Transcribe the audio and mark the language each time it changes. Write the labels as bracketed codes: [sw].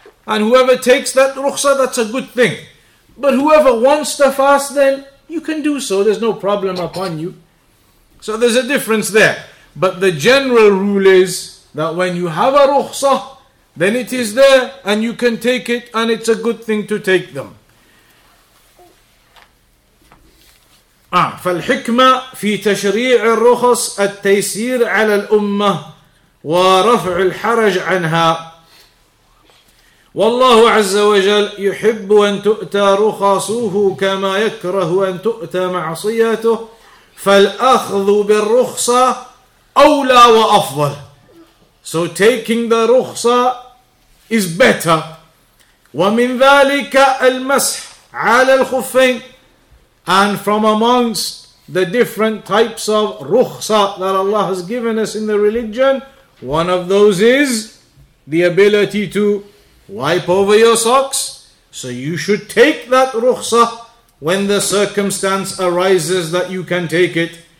[en] And whoever takes that rukhsa, that's a good thing. But whoever wants to fast, then you can do so. There's no problem upon you. So there's a difference there. But the general rule is that when you have a rukhsa, then it is there and you can take it and it's a good thing to take them. [ar] فالحكمة في تشريع الرخص التيسير على الأمة ورفع الحرج عنها والله عز وجل يحب أن تؤتى رخصه كما يكره أن تؤتى معصيته فالأخذ بالرخصة أولى وأفضل. [en] So taking the رخصة is better. [ar] ومن ذلك المسح على الخفين. [en] And from amongst the different types of rukhsa that Allah has given us in the religion, one of those is the ability to wipe over your socks. So you should take that rukhsa when the circumstance arises that you can take it.